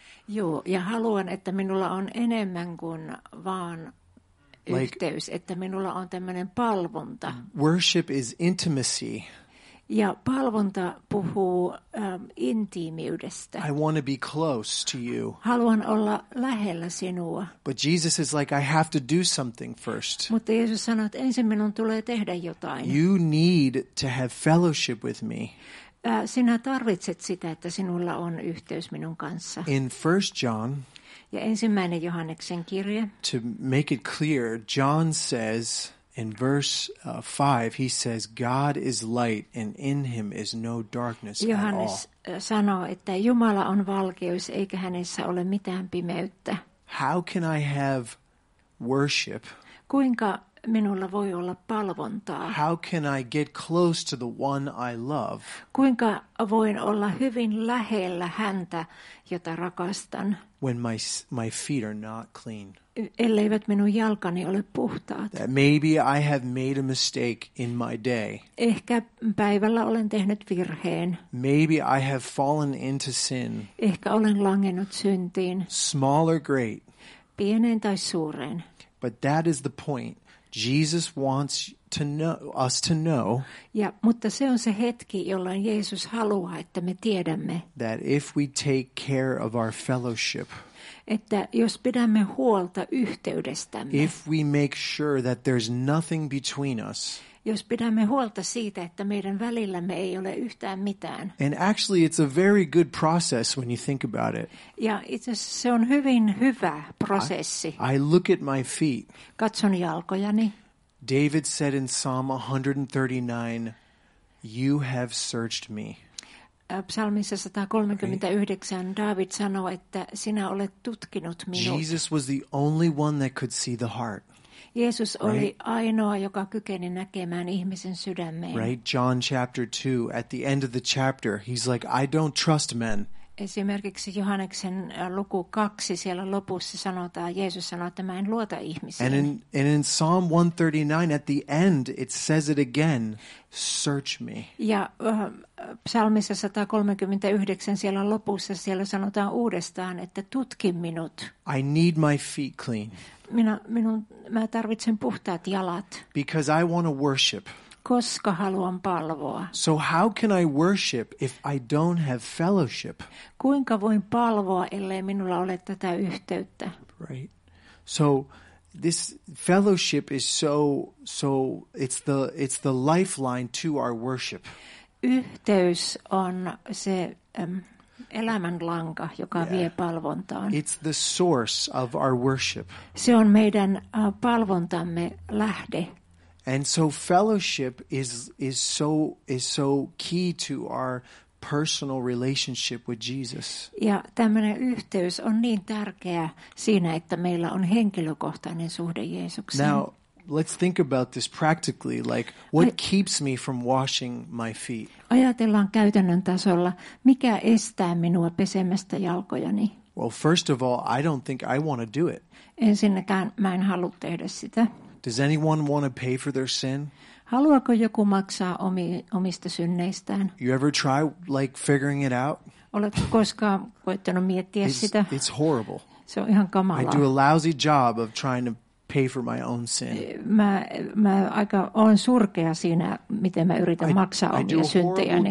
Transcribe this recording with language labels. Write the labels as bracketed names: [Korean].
[Finnish] Joo, ja haluan, että minulla on enemmän kuin vaan yhteys, like, että minulla on tämmöinen palvonta. [English] Worship is intimacy. [Finnish] Ja palvonta puhuu intiimiydestä. [English] I want to be close to you. [Finnish] Haluan olla lähellä sinua. [English] But Jesus is like, I have to do something first. [Finnish] Mutta Jeesus sanoo, että ensin minun tulee tehdä jotain. [English] You need to have fellowship with me. [Finnish] Sinä tarvitset sitä, että sinulla on yhteys minun kanssa. [English] In 1 John. [Finnish] Ja ensimmäinen Johanneksen kirje. [English] To make it clear, John says, in verse 5, he says, God is light and in him is no darkness [Finnish] Johannes [English] at all. [Finnish] Johannes sanoo, että Jumala on valkeus, eikä hänessä ole mitään pimeyttä. [English] How can I have worship? [Finnish] Kuinka minulla voi olla palvontaa? [English] How can I get close to the one I love? [Finnish] Kuinka voin olla hyvin lähellä häntä, jota rakastan? [English] When my feet are not clean. [Finnish] Elleivät minun jalkani ole puhtaat. [English] That maybe I have made a mistake in my day. [Finnish] Ehkä päivällä olen tehnyt virheen. [English] Maybe I have fallen into sin. [Finnish] Ehkä olen langennut syntiin. [English] Small or great. [Finnish] Pieneen tai suureen. [English] But that is the point. Jesus wants to know, us to know. [Finnish] Ja, mutta se on se hetki, jolloin Jeesus haluaa, että me tiedämme. [English] That if we take care of our fellowship. [Finnish] Että jos pidämme huolta yhteydestämme. [English] If we make sure that there's nothing between us. [Finnish] Jos pidämme huolta siitä, että meidän välillämme ei ole yhtään mitään. [English] And actually it's a very good process when you think about it. [Finnish] Ja itse asiassa se on hyvin hyvä prosessi. [English] I look at my feet. [Finnish] Katson jalkojani. [English] David said in Psalm 139, you have searched me. [Finnish] Psalmissa 139 David sanoo, että sinä olet tutkinut minut. [English] Jesus was the only one that could see the heart. [Finnish] Jeesus oli ainoa, joka kykeni näkemään ihmisen sydämeen. [English] Right, John chapter 2, at the end of the chapter, he's like, I don't trust men. [Finnish] Esimerkiksi Johanneksen luku 2, siellä lopussa sanotaan, Jeesus sanoo, että mä en luota ihmisiin. [English] And in Psalm 139, at the end, it says it again, search me. [Finnish] Ja psalmissa 139, siellä lopussa, siellä sanotaan uudestaan, että tutki minut. [English] I need my feet clean. [Finnish] Mä tarvitsen puhtaat jalat. [English] Because I want to worship. [Finnish] Koska haluan palvoa. [English] So how can I worship if I don't have fellowship? [Finnish] Kuinka voin palvoa, ellei minulla ole tätä yhteyttä? [English] Right. So this fellowship is so it's the lifeline to our worship. [Finnish] Yhteys on se elämänlanka, joka vie palvontaan. [English] It's the source of our worship. [Finnish] Se on meidän palvontamme lähde. [English] And so fellowship is so key to our personal relationship with Jesus. [Finnish] Ja tämmöinen yhteys on niin tärkeä siinä, että meillä on henkilökohtainen suhde Jeesukseen. [English] Now, let's think about this practically, like what keeps me from washing my feet? [Finnish] Ajatellaan käytännön tasolla, mikä estää minua pesemästä jalkojani? [English] Well, first of all, I don't think I want to do it. [Finnish] Ensinnäkään mä en halua tehdä sitä. [English] Does anyone want to pay for their sin? [Finnish] Haluaako joku maksaa omista synneistään? [English] You ever try like figuring it out? [Finnish] Oletko koskaan koettanut miettiä sitä? [English] It's horrible. [Finnish] Se on ihan kamalaa. [English] I do a lousy job of trying to pay for my own sin. [Finnish] Mä aika on surkea siinä, miten mä yritän maksaa omia syntejäni.